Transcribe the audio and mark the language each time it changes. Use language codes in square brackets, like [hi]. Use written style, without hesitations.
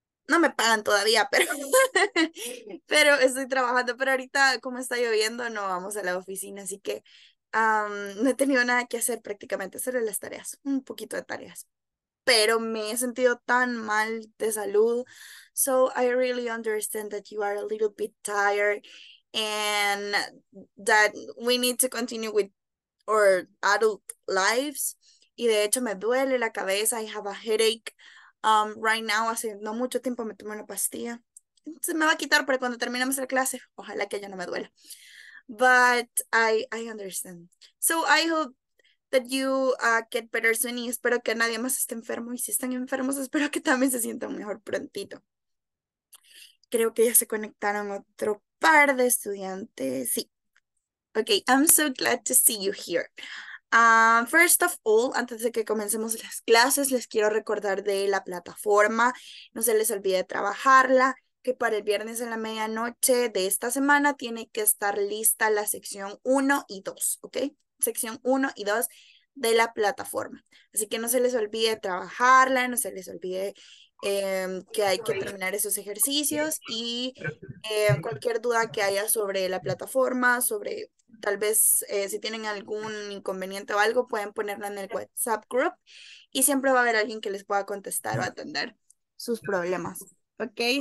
[es] No me pagan todavía, pero pero estoy trabajando, pero ahorita como está lloviendo no vamos a la oficina, así que no he tenido nada que hacer prácticamente, solo las tareas, un poquito de tareas. Pero me he sentido tan mal de salud. [en] So I really understand that you are a little bit tired and that we need to continue with our adult lives. [es] Y de hecho me duele la cabeza. [en] I have a headache right now. [es] Hace no mucho tiempo me tomé una pastilla. Se me va a quitar, pero cuando terminemos la clase, ojalá que ya no me duela. [en] But I understand. So I hope that you get better soon [es] y espero que nadie más esté enfermo. Y si están enfermos, espero que también se sientan mejor prontito. Creo que ya se conectaron otro par de estudiantes. Sí. [en] Okay, I'm so glad to see you here. First of all, [es] antes de que comencemos las clases, les quiero recordar de la plataforma. No se les olvide trabajarla, que para el viernes en la medianoche de esta semana tiene que estar lista la sección 1 y 2, ¿ok? Sección 1 y 2 de la plataforma. Así que no se les olvide trabajarla, no se les olvide que hay que terminar esos ejercicios y cualquier duda que haya sobre la plataforma, sobre tal vez si tienen algún inconveniente o algo, pueden ponerla en el WhatsApp group y siempre va a haber alguien que les pueda contestar o atender sus problemas, ¿ok?